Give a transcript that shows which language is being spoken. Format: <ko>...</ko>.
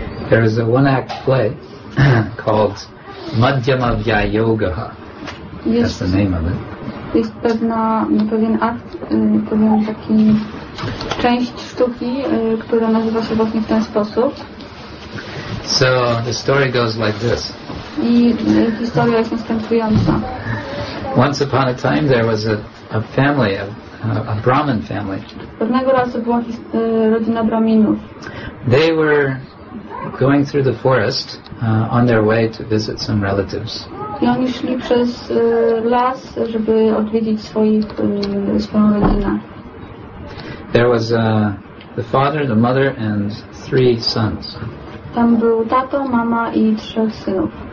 <en>There is a one-act play called Madhyamavya Yoga. That's the name of it.</en> <pl>Jest pewien akt, pewien taki część sztuki, która nazywa się właśnie w ten sposób.</pl> <en>So the story goes like this.</en> <pl>I historia jest następująca.</pl> <en>Once upon a time there was a family, a Brahmin family.</en> <pl>Pewnego razu była rodzina Brahminów.</pl> <en>They were going through the forest on their way to visit some relatives.</en> <pl>I oni szli przez las, żeby odwiedzić swoją rodzinę.</pl> <en>There was the father, the mother and three sons.</en> <pl>Tam był tato, mama i trzech synów.</pl>